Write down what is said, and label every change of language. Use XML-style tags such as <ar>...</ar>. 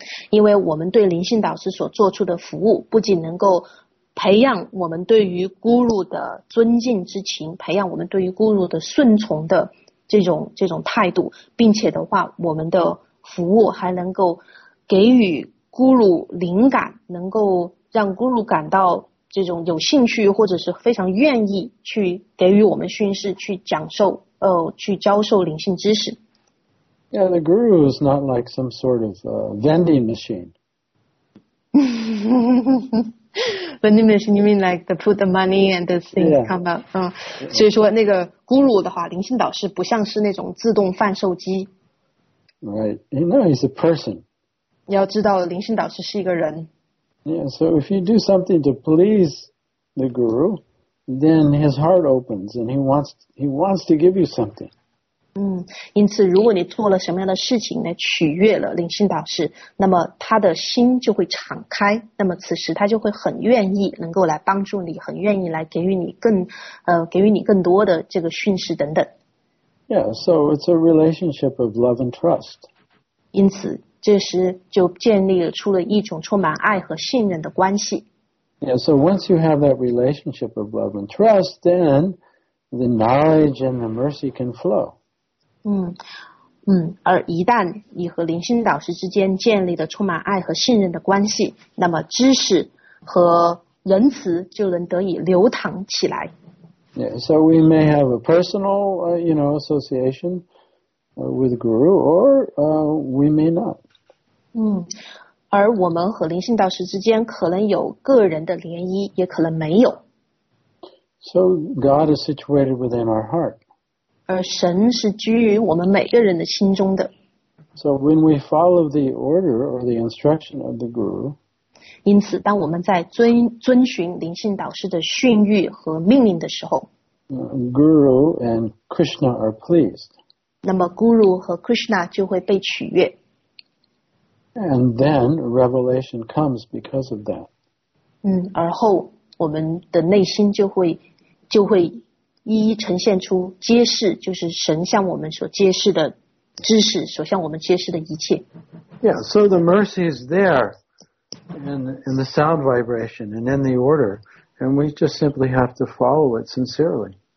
<zh>因为我们对灵性导师所做出的服务不仅能够培养我们对于咕噜的尊敬之情，培养我们对于咕噜的顺从的这种态度，并且的话，我们的服务还能够给予咕噜灵感，能够让咕噜感到这种有兴趣或者是非常愿意去给予我们训示，去讲授去教授灵性知识。</zh> <en>Yeah, the guru is not like some sort of vending machine. Vending machine, you mean like the put the money and the things come out?</en> <zh>所以说那个咕噜的话，灵性导师不像是那种自动贩售机。</zh> <en>Right, you know, he's a person.</en> <zh>你要知道，灵性导师是一个人。</zh> <en>Yeah, so if you do something to please the guru, then his heart opens and he wants to give you something.</en> <zh>因此如果你做了什么样的事情来取悦了灵性导师，那么他的心就会敞开，那么此时他就会很愿意能够来帮助你，很愿意来给予你更多的这个训示等等。</zh> <en>Yeah, so it's a relationship of love and trust.</en> <zh>因此这时就建立了出了一种充满爱和信任的关系。</zh> <en>Yeah, so once you have that relationship of love and trust, then the knowledge and the mercy can flow.</en> <zh>而一旦你和灵性导师之间建立了充满爱和信任的关系，那么知识和仁慈就能得以流淌起来。</zh> <en>Yeah, so we may have a personal, you know, association with Guru, or we may not.</en> <zh>而我们和灵性导师之间可能有个人的联谊，也可能没有。</zh> <en>So God is situated within our heart.</en> <zh>而神是居于我们每个人的心中的。</zh> <en>So when we follow the order or the instruction of the Guru,</en> <zh>因此当我们在遵循灵性导师的训谕和命令的时候，</zh> <en>Guru and Krishna are pleased.</en> <zh>那么 Guru 和 Krishna 就会被取悦。</zh> <en>And then revelation comes because of that.</en> <zh>而后我们的内心就会一一呈现出揭示，就是神向我们所揭示的知识，所向我们揭示的一切。</zh> <en>Yeah, so the mercy is there in the sound vibration and in the order, and we just simply have to follow it sincerely.</en>